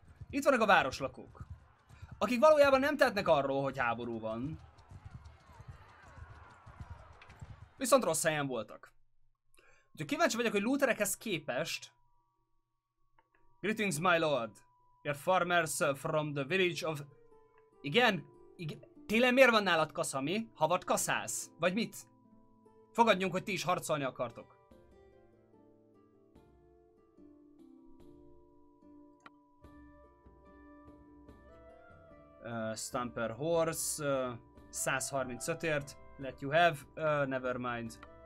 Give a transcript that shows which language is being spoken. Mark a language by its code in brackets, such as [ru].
[hu] Itt vannak a városlakók. Akik valójában nem tehetnek arról, hogy háború van. Viszont rossz helyen voltak. Úgyhogy kíváncsi vagyok, hogy looterekhez képest... [en] Greetings, my lord. Your farmers from the village of... [hu] Igen? Igen? Tényleg miért van nálad kasza, mi? Havat kaszálsz? Vagy mit? Fogadjunk, hogy ti is harcolni akartok. [en] Stamper horse, 135-ért, let you have, never mind.